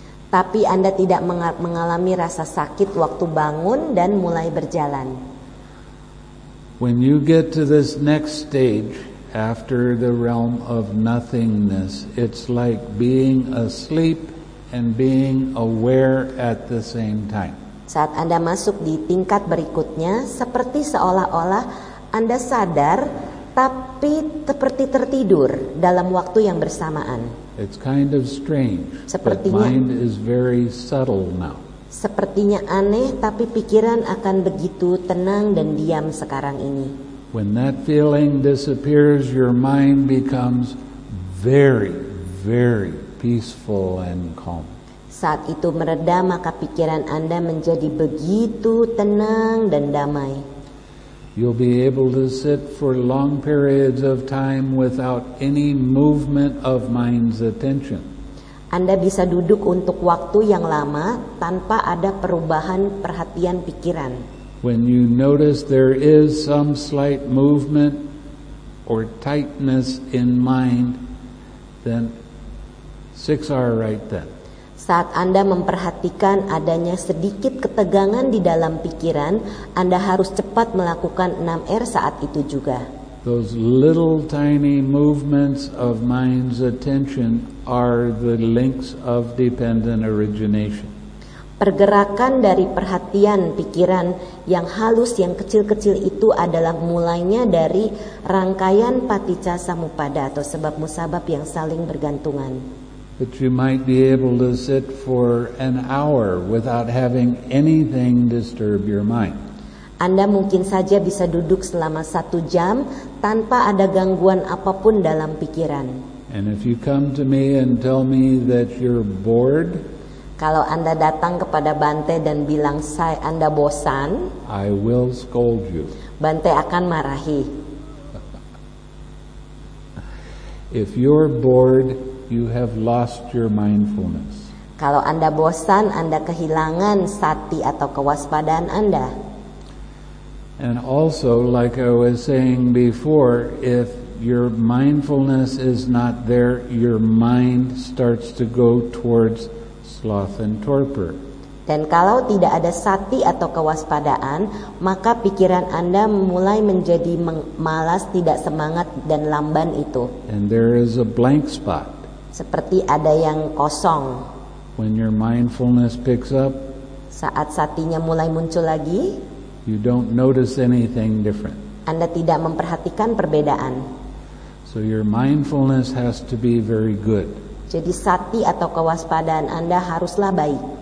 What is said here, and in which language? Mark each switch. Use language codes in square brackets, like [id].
[id] Tapi Anda tidak mengalami rasa sakit waktu bangun dan mulai berjalan. [en] When you get to this next stage after the realm of nothingness, it's like being asleep and being aware at the same time. [id] Saat Anda masuk di tingkat berikutnya, seperti seolah-olah Anda sadar tapi seperti tertidur dalam waktu yang bersamaan. [en] It's kind of strange. [id] Sepertinya, [en] but mind is very subtle now. [id] Sepertinya aneh, tapi pikiran akan begitu tenang dan diam sekarang ini. [en] When that feeling disappears, your mind becomes very, very peaceful and calm. [id] Saat itu mereda, maka pikiran Anda menjadi begitu tenang dan damai. [en] You'll be able to sit for long periods of time without any movement of mind's attention. [id] Anda bisa duduk untuk waktu yang lama tanpa ada perubahan perhatian pikiran. [en] When you notice there is some slight movement or tightness in mind, then 6R right then. [id] Saat Anda memperhatikan adanya sedikit ketegangan di dalam pikiran, Anda harus cepat melakukan 6R saat itu juga. [en] Those little tiny movements of mind's attention are the links of dependent origination. [id] Pergerakan dari perhatian pikiran yang halus, yang kecil-kecil itu adalah mulainya dari rangkaian paticca samuppada atau sebab musabab yang saling bergantungan. [en] But you might be able to sit for an hour without having anything disturb your mind. [id] Anda mungkin saja bisa duduk selama 1 jam tanpa ada gangguan apapun dalam pikiran. [en] And if you come to me and tell me that you're bored, [id] kalau Anda datang kepada Bante dan bilang saya Anda bosan, [en] I will scold you. [id] Bante akan marahi. [en] If you're bored, you have lost your mindfulness. [id] Kalau Anda bosan, Anda kehilangan sati atau kewaspadaan Anda. [en] And also, like I was saying before, if your mindfulness is not there, your mind starts to go towards sloth and torpor. [id] Dan kalau tidak ada sati atau kewaspadaan, maka pikiran Anda mulai menjadi malas, tidak semangat, dan lamban itu. [en] And there is a blank spot. [id] Seperti ada yang kosong. [en] When your mindfulness picks up, [id] saat satinya mulai muncul lagi, [en] you don't notice anything different. [id] Anda tidak memperhatikan perbedaan. [en] So your mindfulness has to be very good. [id] Jadi sati atau kewaspadaan Anda haruslah baik.